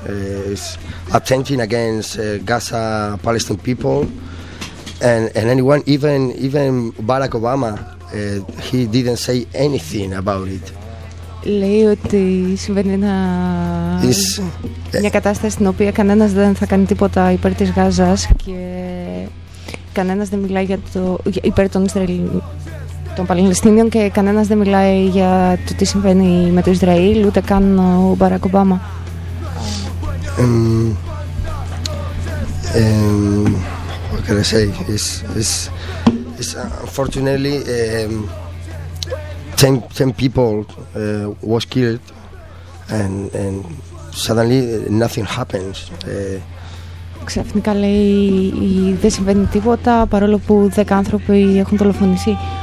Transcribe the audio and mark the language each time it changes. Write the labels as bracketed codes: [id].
[en] Is attempting against Gaza Palestinian people. And anyone, even Barack Obama, he didn't say anything about it. [el] Λέει ότι συμβαίνει μια κατάσταση στην οποία κανένας δεν θα κάνει τίποτα υπέρ της Γάζας και κανένας δεν μιλάει για το υπέρ των Ισραήλ, των Παλαιστινίων, και κανένας δεν μιλάει για το τι συμβαίνει με το Ισραήλ, ούτε καν ο Μπαράκ Ομπάμα. [en] What can I say? It's unfortunately 10 people was killed, and suddenly nothing happens. [el] Ξαφνικά λέει δεν συμβαίνει τίποτα παρόλο που 10 άνθρωποι έχουν δολοφονηθεί.